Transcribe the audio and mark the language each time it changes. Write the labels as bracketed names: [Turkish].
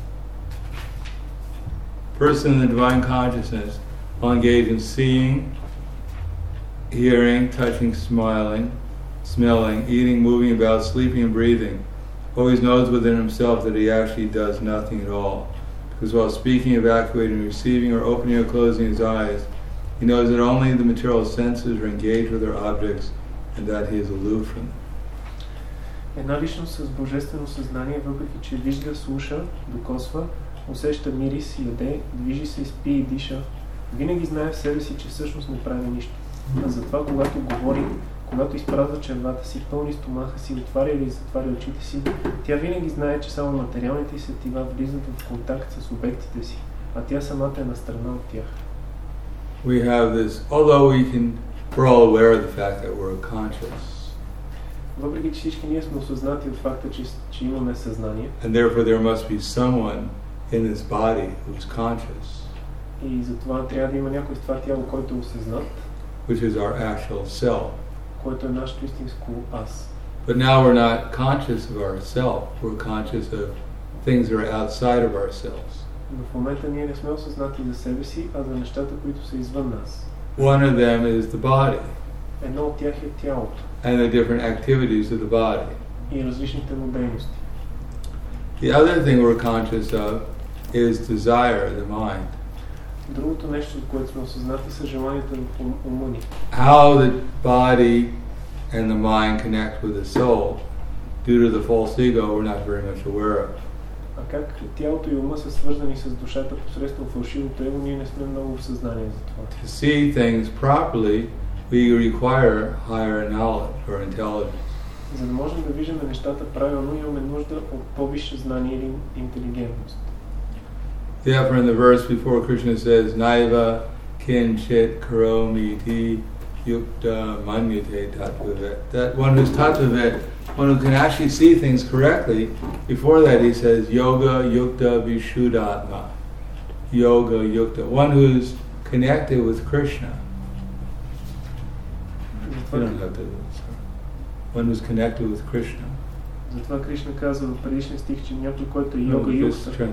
[English] 8, 9, 5, 8, 9, 5, 8, 9. Person in the divine consciousness will engage in seeing, hearing, touching, smiling, smelling, eating, moving about, sleeping and breathing. Always knows within himself that he actually does nothing at all. Because while speaking, evacuating, receiving, or opening or closing his eyes, he knows that only the material senses are engaged with their objects and that he is aloof from them. [Bulgarian] Една личност с божествено съзнание, въпреки че вижда, слуша, докосва, усеща мирис, яде, движи се, спи и диша, винаги знае в себе си, че всъщност не прави нищо. Затова, когато говори, когато изпразва червата си, пълни стомаха си, отваря или затваря очите си, тя винаги знае, че само материалните и сетива влизат в контакт с обектите си, а тя самата е настрана от тях. [English] We have this, although we can, we're all aware of the fact that we're conscious. [Bulgarian] Въпреки че всички ние сме осъзнати от факта, че имаме съзнание. [English] And therefore there must be someone in this body who's conscious. [Bulgarian] И затова трябва да има някой в това тяло, който е осъзнат. [English] Which is our actual self. [Bulgarian] Което е нашето истинско аз. [English] But now we're not conscious of ourself. We're conscious of things that are outside of ourselves. [Bulgarian] Но в момента ние не сме осъзнати за себе си, а за нещата, които са извън нас. [English] One of them is the body. [Bulgarian] Едно от тях е тялото. [English] And the different activities of the body. [Bulgarian] И различните му дейности. [English] The other thing we're conscious of is desire, the mind. [Bulgarian] Другото нещо, от което сме осъзнати, са желанията на ума ни. [English] How the body and the mind connect with the soul, due to the false ego, we're not very much aware of. [Bulgarian] А как тялото и ума са свързани с душата посредством фалшивото его, ние не сме много в съзнание за това. [English] To see things properly, we require higher knowledge or intelligence. [Bulgarian] За да можем да виждаме нещата правилно, имаме нужда от по-висше знание или интелигентност. [English] Therefore, in the verse before, Krishna says, [Sanskrit] Naiva kinchit karomi iti yukta manyate tattvavet. [English] That one who's tattvavet, one who can actually see things correctly, before that he says, [Sanskrit] Yoga yukta vishuddhatma. Yoga yukta. [English] One who's connected with Krishna. One who's connected with Krishna. [Bulgarian] Затова Кришна казва в предишен стих, че някой, който е йога юкта.